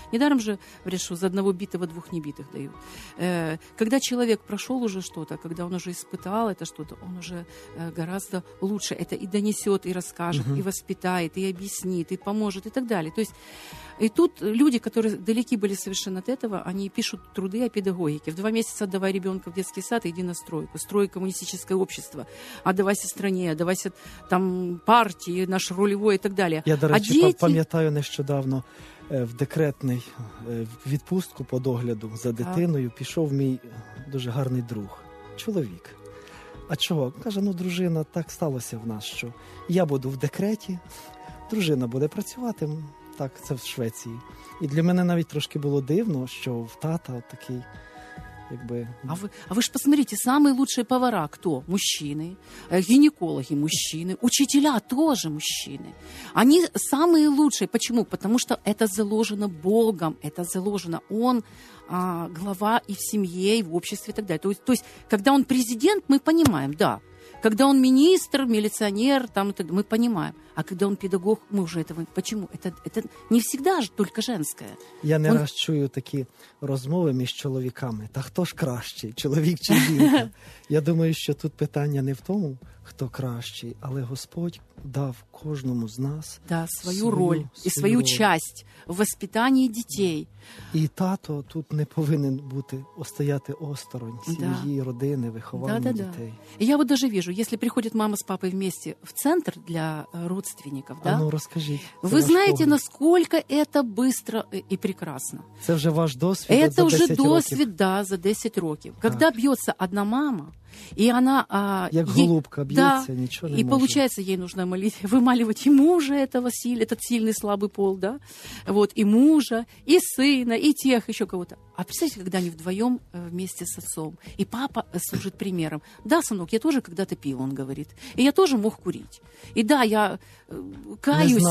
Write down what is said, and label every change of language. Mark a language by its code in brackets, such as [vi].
[ru] Недаром же говорят, что за одного битого двух небитых дают. Когда человек прошел уже что-то, когда он уже испытал это что-то, он уже гораздо лучше это и донесет, и расскажет, угу. и воспитает, и объяснит, и поможет, и так далее. То есть и тут люди, которые далеки были совершенно от этого, они пишут труды о педагогике. В два месяца отдавай ребенка в детский сад, иди на стройку. Строй коммунистическое общество. Отдавайся стране, отдавайся там партии, наш рулевой и так далее. Я, до речи, дети... [uk] пам'ятаю нещодавно в декретний відпустку по догляду за дитиною пішов мій дуже гарний друг, чоловік. А чого? Каже, ну дружина, так сталося в нас, що я буду в декреті, дружина буде працювати, так, це в Швеції. І для мене навіть трошки було дивно, що в тата от такий, якби... А ви ж посмотрите, найкращі повара хто? Мужчини. Гінекологи – мужчини. Учителя – теж мужчини. Вони найкращі. Чому? Тому що це заложено Богом. Це заложено. Він глава і в сім'ї, і в обществі, і так далі. Тобто, коли він президент, ми розуміємо, да. [ru] Когда он министр, милиционер, там это, мы понимаем. А когда он педагог, мы уже этого... Почему? Это не всегда же только женское. [uk] Я не раз чую такі розмови між чоловіками. Та хто ж кращий, чоловік чи жінка? Я думаю, що тут питання не в тому, хто кращий, але Господь дав кожному з нас свою роль і свою часть в воспитанні дітей. І тато тут не повинен бути стояти осторонь сім'ї, родини, виховання дітей. [ru] Я вот даже вижу, если приходит мама с папой вместе в центр для родственников, да? [uk] Ну, розкажіть. Ви знаєте, наскільки [ru] это быстро и прекрасно? [uk] Це вже ваш досвід. [ru] Это уже [uk] досвід, [ru] да, за 10 років. Когда [uk] б'ється [ru] одна мама, и она, [uk] як голубка б'ється, да, нічого не може. [ru] І получается, ей нужно молить, вымаливать и мужа этого сильного, этот сильный слабый пол, да? Вот, и мужа, и сына, и тех ещё кого-то. А представьте, когда они вдвоем вместе с отцом. И папа служит примером. Да, сынок, я тоже когда-то пил, он говорит. И я тоже мог курить. И да, я каюсь.